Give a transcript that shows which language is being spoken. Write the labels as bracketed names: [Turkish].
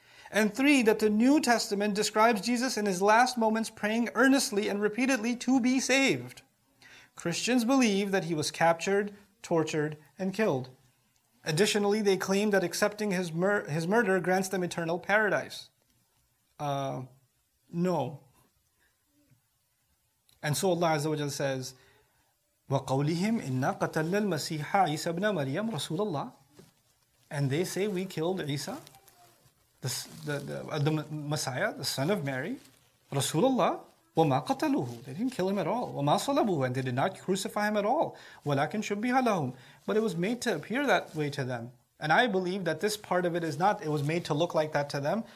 [English] And three, that the New Testament describes Jesus in his last moments praying earnestly and repeatedly to be saved. Christians believe that he was captured, tortured, and killed. Additionally, they claim that accepting his murder grants them eternal paradise. No. And so Allah Azza wa Jalla says, [Arabic] وَقَوْلِهِمْ إِنَّا قَتَلْنَا الْمَسِيحَ عِيسَى بْنَ مَرْيَمْ رَسُولَ اللَّهِ. [English] And they say, we killed Isa, the Messiah, the son of Mary, Rasulullah. [Arabic] وَمَا قَتَلُوهُ. [English] They didn't kill him at all. [Arabic] وَمَا صَلَبُوهُ. [English] And they did not crucify him at all. [Arabic] وَلَكِنْ شُبِّهَ لَهُمْ. [English] But it was made to appear that way to them. And I believe that this part of it is not, it was made to look like that to them.